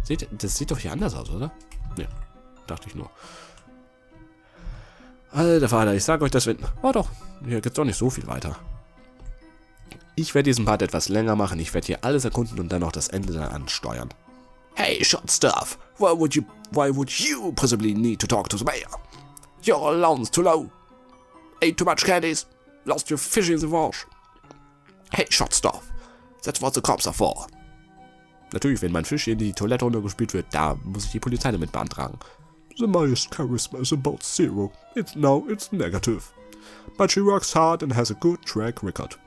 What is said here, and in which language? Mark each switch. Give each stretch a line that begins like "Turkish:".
German: Das sieht doch hier anders aus, oder? Ja, dachte ich nur. Alter Vater, ich sag euch das, wenn... Oh doch, hier geht's doch nicht so viel weiter. Ich werde diesen Part etwas länger machen, ich werde hier alles erkunden und dann auch das Ende dann ansteuern.
English: Hey, short stuff, why would you possibly need to talk to the mayor? Your allowance too low. Ate too much candies, lost your fish in the wash. Hey, short stuff, that's what the cops are for.
German: Natürlich, wenn mein Fisch in die Toilette runtergespült wird, da muss ich die Polizei damit beantragen.
English: The mayor's charisma is about zero. It's now it's negative. But she works hard and has a good track record.